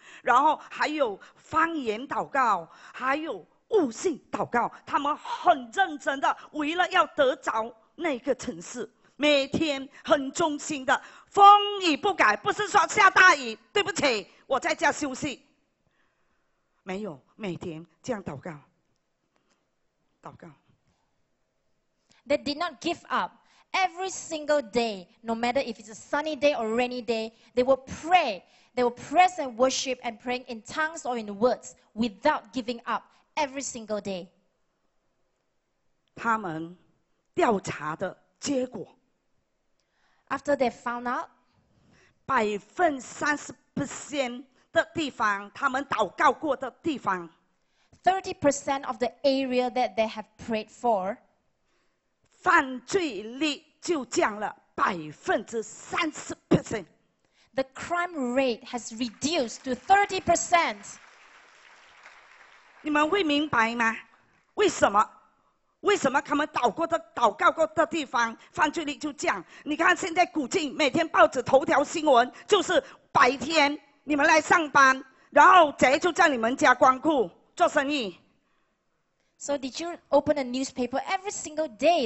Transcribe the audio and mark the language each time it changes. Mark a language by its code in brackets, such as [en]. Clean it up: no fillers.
[zh] 然后还有方言祷告，还有悟性祷告，他们很认真的为了要得着那个城市，每天很忠心的，风雨不改，不是说下大雨，对不起，我在家休息。没有，每天这样祷告，祷告。 [en] They did not give up. Every single day, no matter if it's a sunny day or rainy day, they will pray. They will praise and worship and praying in tongues or in words without giving up every single day. [zh] 他们调查的结果, [en] After they found out, [zh] 30%的地方, 他们祷告过的地方, [en] 30% of the area that they have prayed for, [zh] 犯罪率就降了 30%。 [en] The crime rate has reduced to 30%. [zh] 你们会明白吗?为什么? 为什么他们祷告过的地方, 犯罪率就降? 你看现在古晋每天报纸头条新闻, 就是白天, 你们来上班, 然后贼就在你们家光顾, 做生意。 [en] So did you open a newspaper every single day?